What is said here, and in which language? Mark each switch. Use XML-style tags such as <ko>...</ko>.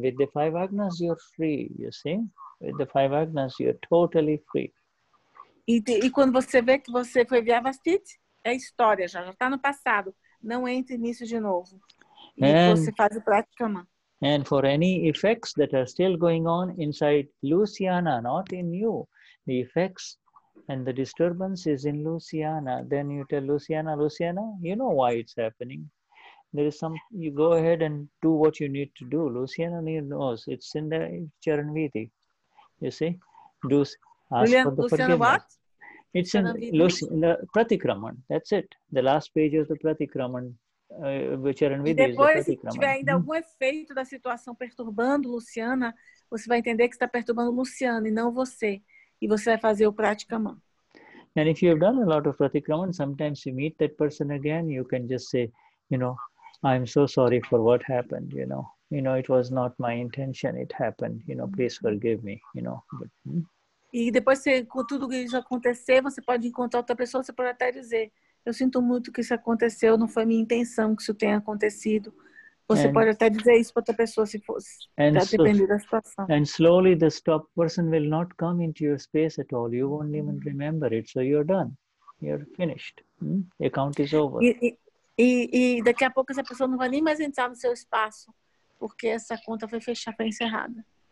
<en>With the five agnas, you're free, you see? With the five agnas, you're totally free.</en> <pt>E quando você vê que você foi Vyavastit? É história, já está no passado. Não entre nisso de novo.</pt> <en>And</en> <pt>você faz o pratikraman.</pt> <en>And for any effects that are still going on inside Luciana, not in you, the effects and the disturbance is in Luciana. Then you tell Luciana, you know why it's happening. There is some. You go ahead and do what you need to do. Luciana knows. It's in the Charanviti. You see? Do ask Luciana, for the forgiveness. What? It's in the Pratikraman. That's it. The last page of the Pratikraman, which are in with the Pratikraman.</en> <pt>E depois, se tiver ainda algum efeito da situação perturbando Luciana, você vai entender que está perturbando Luciana e não você. E você vai fazer o Pratikraman.</pt> <en>And if you've done a lot of Pratikraman, sometimes you meet that person again, you can just say, you know, I'm so sorry for what happened, you know. You know, it was not my intention, it happened. You know, please forgive me, you know.</en> <pt>E depois, com tudo que isso acontecer, você pode encontrar outra pessoa, você pode até dizer, eu sinto muito que isso aconteceu, não foi minha intenção que isso tenha acontecido. Você pode até dizer isso para outra pessoa, se fosse, dependendo da situação.</pt> <en>And slowly, the stop person will not come into your space at all. You won't even remember it, so you're done. You're finished. The account is over.</en> <pt>E daqui a pouco, essa pessoa não vai nem mais entrar no seu espaço, porque essa conta foi fechada, foi encerrada.</pt>